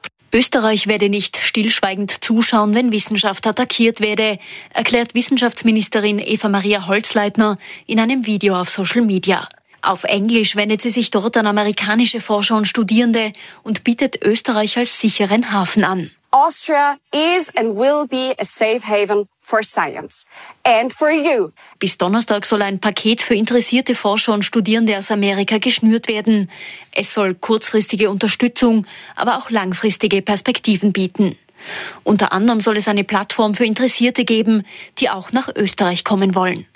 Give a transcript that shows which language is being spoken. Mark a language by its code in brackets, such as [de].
[de] Österreich werde nicht stillschweigend zuschauen, wenn Wissenschaft attackiert werde, erklärt Wissenschaftsministerin Eva-Maria Holzleitner in einem Video auf Social Media. Auf Englisch wendet sie sich dort an amerikanische Forscher und Studierende und bietet Österreich als sicheren Hafen an. [en] Austria is and will be a safe haven for science and for you. [de] Bis Donnerstag soll ein Paket für interessierte Forscher und Studierende aus Amerika geschnürt werden. Es soll kurzfristige Unterstützung, aber auch langfristige Perspektiven bieten. Unter anderem soll es eine Plattform für Interessierte geben, die auch nach Österreich kommen wollen.